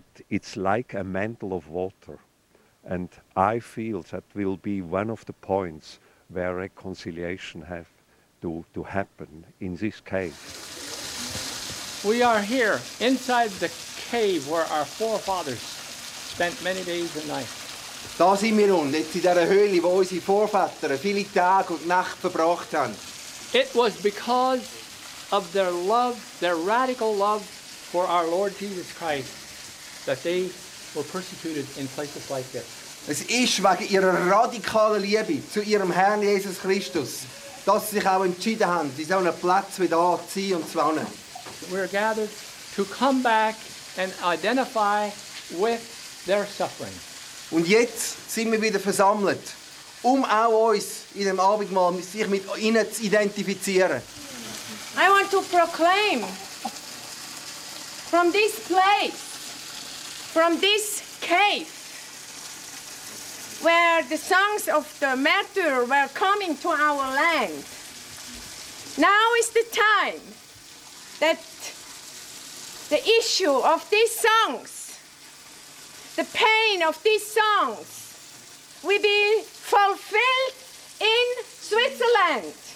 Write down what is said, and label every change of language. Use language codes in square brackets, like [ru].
[en] It's like a mantle of water. And I feel that will be one of the points where reconciliation have to happen in this cave. We are here inside the cave where our forefathers spent many days and nights. [de] Da sind wir nun, jetzt in dieser Höhle, wo unsere Vorväter viele Tage und Nacht verbracht haben. [en] It was because of their love, their radical love for our Lord Jesus Christ, that they were persecuted in places like this. [de] Es ist wegen ihrer radikalen Liebe zu ihrem Herrn Jesus Christus, dass sie sich auch entschieden haben, in so einem Platz wie da zu sein und zu wohnen. [en] We are gathered to come back and identify with their suffering. [de] Und jetzt sind wir wieder versammelt, auch uns in dem Abendmahl sich mit ihnen zu identifizieren. [en] I want to proclaim from this place, from this cave, where the songs of the martyr were coming to our land. Now is the time that the issue of these songs, the pain of these songs, will be fulfilled in Switzerland.